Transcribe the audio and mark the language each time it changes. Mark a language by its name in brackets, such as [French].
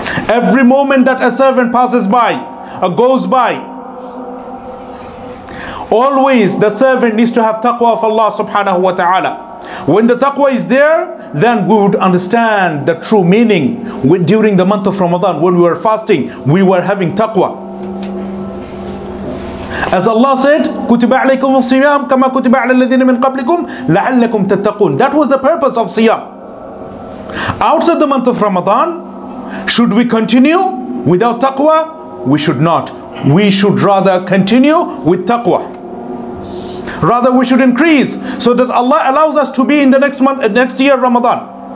[English] Every moment that a servant passes by, goes by, always the servant needs to have taqwa of Allah subhanahu wa ta'ala. When the taqwa is there, then we would understand the true meaning. During the month of Ramadan, when we were fasting, we were having taqwa. As Allah said, [Arabic] كُتِبَ عَلَيْكُمُ الصِّيَامُ كَمَا كُتِبَ عَلَى الَّذِينَ مِنْ قَبْلِكُمْ لَعَلَّكُمْ تَتَّقُونَ. [English] That was the purpose of siyam. Outside the month of Ramadan, should we continue without taqwa? We should not. We should rather continue with taqwa. Rather, we should increase so that Allah allows us to be in the next month, next year, Ramadan.